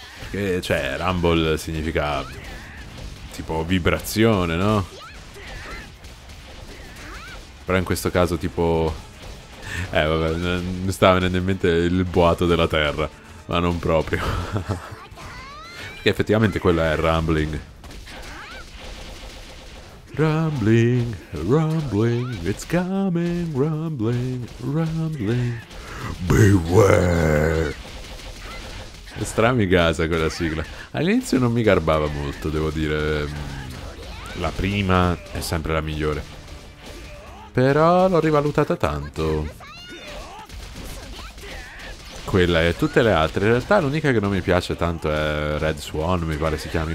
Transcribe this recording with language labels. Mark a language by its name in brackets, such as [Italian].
[Italian] Perché, cioè, Rumble significa tipo vibrazione, no? Però in questo caso tipo... vabbè, mi stava venendo in mente il boato della terra, ma non proprio. Perché effettivamente quello è Rumbling. [English] Rumbling, rumbling, it's coming, rumbling, rumbling, beware! [Italian] Stramigasa quella sigla. All'inizio non mi garbava molto, devo dire. La prima è sempre la migliore. Però l'ho rivalutata tanto. Quella e tutte le altre. In realtà l'unica che non mi piace tanto è Red Swan, mi pare si chiami.